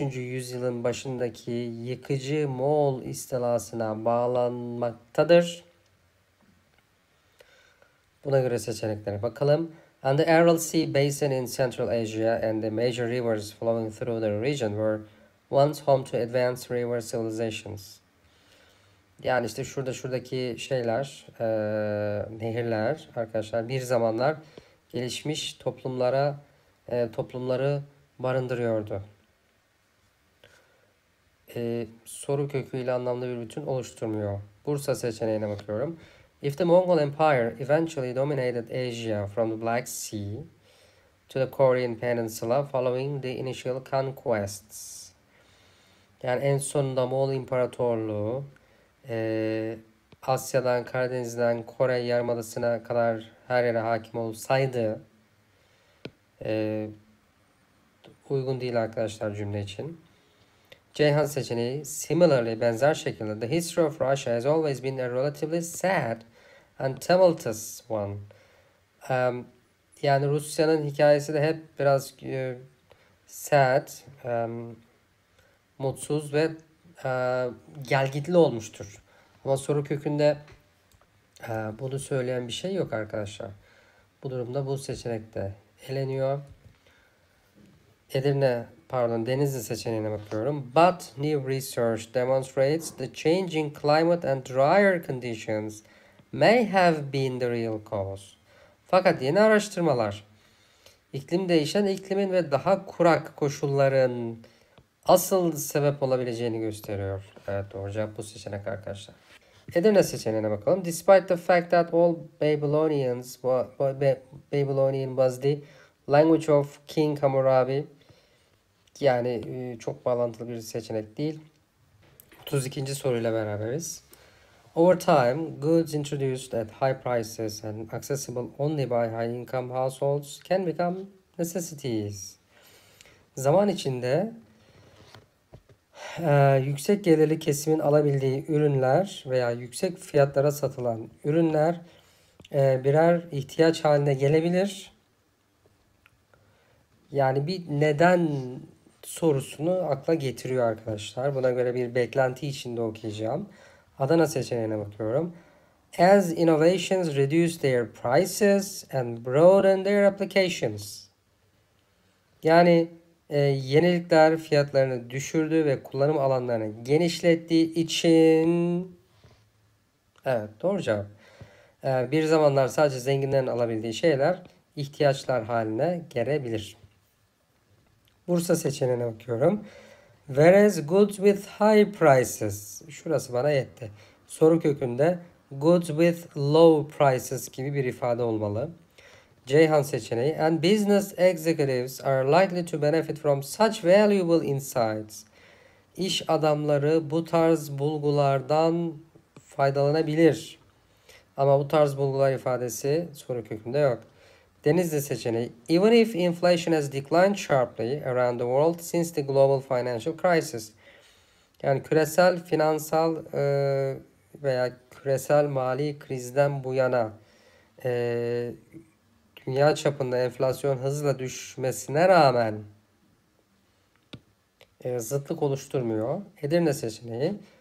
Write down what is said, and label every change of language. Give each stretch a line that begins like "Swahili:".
Turkish: yüzyılın başındaki yıkıcı Moğol istilasına bağlanmaktadır. Buna göre seçeneklere bakalım.
English: And the Aral Sea Basin in Central Asia and the major rivers flowing through the region were once home to advanced river civilizations.
Turkish: Yani işte şurada şuradaki şeyler, nehirler arkadaşlar bir zamanlar gelişmiş toplumlara toplumları barındırıyordu. Soru köküyle anlamlı bir bütün oluşturmuyor. Bursa seçeneğine bakıyorum.
English: If the Mongol Empire eventually dominated Asia from the Black Sea to the Korean Peninsula following the initial conquests.
Turkish: Yani en sonunda Moğol İmparatorluğu Asya'dan, Karadeniz'den, Kore Yarımadası'na kadar her yere hakim olsaydı uygun değil arkadaşlar cümle için. Ceyhan seçeneği
English: similarly
Turkish: benzer şekilde
English: The history of Russia has always been a relatively sad and tumultuous one.
Turkish: Yani Rusya'nın hikayesi de hep biraz sad, mutsuz ve gelgitli olmuştur. Ama soru kökünde bunu söyleyen bir şey yok arkadaşlar. Bu durumda bu seçenek de eleniyor. Edirne, pardon, Denizli seçeneğine bakıyorum.
English: But new research demonstrates the changing climate and drier conditions may have been the real cause.
Turkish: Fakat yeni araştırmalar iklim değişen iklimin ve daha kurak koşulların asıl sebep olabileceğini gösteriyor. Evet, doğru cevap bu seçenek arkadaşlar. Edirne seçeneğine bakalım.
English: Despite the fact that all Babylonians, Babylonian was the language of King Hammurabi.
Turkish: Yani çok bağlantılı bir seçenek değil. 32. soruyla beraberiz.
English: Over time, goods introduced at high prices and accessible only by high income households can become necessities.
Turkish: Zaman içinde yüksek gelirli kesimin alabildiği ürünler veya yüksek fiyatlara satılan ürünler birer ihtiyaç haline gelebilir. Yani bir neden sorusunu akla getiriyor arkadaşlar. Buna göre bir beklenti içinde okuyacağım. Adana seçeneğine bakıyorum.
English: As innovations reduce their prices and broaden their applications.
Turkish: Yani yenilikler fiyatlarını düşürdü ve kullanım alanlarını genişlettiği için evet doğru cevap. Bir zamanlar sadece zenginlerin alabildiği şeyler ihtiyaçlar haline gelebilir. Bursa seçeneğine bakıyorum.
English: Whereas goods with high prices.
Turkish: Şurası bana yetti. Soru kökünde
English: goods with low prices
Turkish: gibi bir ifade olmalı. Ceyhan seçeneği.
English: And business executives are likely to benefit from such valuable insights.
Turkish: İş adamları bu tarz bulgulardan faydalanabilir. Ama bu tarz bulgular ifadesi soru kökünde yok. Denizli seçeneği.
English: Even if inflation has declined sharply around the world since the global financial crisis.
Turkish: Yani küresel finansal veya küresel mali krizden bu yana dünya çapında enflasyon hızla düşmesine rağmen zıtlık oluşturmuyor. Edirne seçeneği.